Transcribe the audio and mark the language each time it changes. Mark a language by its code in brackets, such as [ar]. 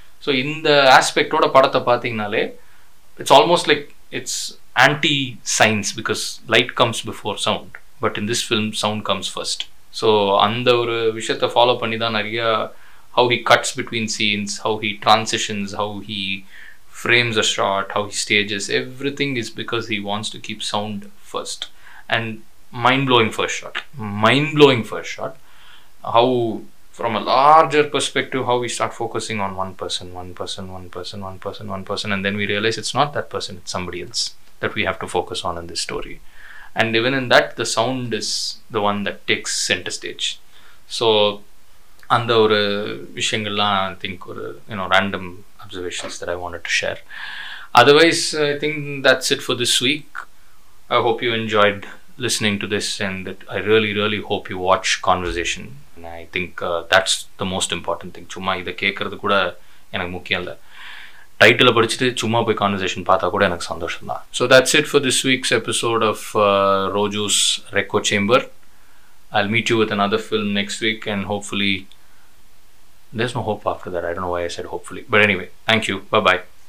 [en] so [ta] இந்த ஆஸ்பெக்டோட படத்தை பார்த்தீங்கனாலே [en] It's almost like it's anti science because light comes before sound but in this film sound comes first. So [ta] அந்த ஒரு விஷயத்தை follow பண்ணி தான் நிறையா [en] How he cuts between scenes how he transitions how he frames are shot, how he stages, everything is because he wants to keep sound first. And mind-blowing first shot. How, from a larger perspective, how we start focusing on one person, one person, one person, one person, one person, and then we realize it's not that person, it's somebody else. that we have to focus on in this story. And even in that, the sound is the one that takes center stage. So [ta] அந்த ஒரு விஷயங்கள்லாம் [en] I think ஒரு you know random observations that I wanted to share. Otherwise I think that's it for this week. I hope you enjoyed listening to this and I really really hope you watch conversation. I think that's the most important thing. [ta] சும்மா இதை கேட்குறது கூட எனக்கு முக்கியம் இல்லை. Title படிச்சுட்டு சும்மா போய் கான்வர்சேஷன் பார்த்தா கூட எனக்கு சந்தோஷம் தான். [en] So that's it for this week's episode of Roju's reco chamber. I'll meet you with another film next week, and hopefully, there's no hope after that. I don't know why I said hopefully, but anyway, thank you. Bye-bye.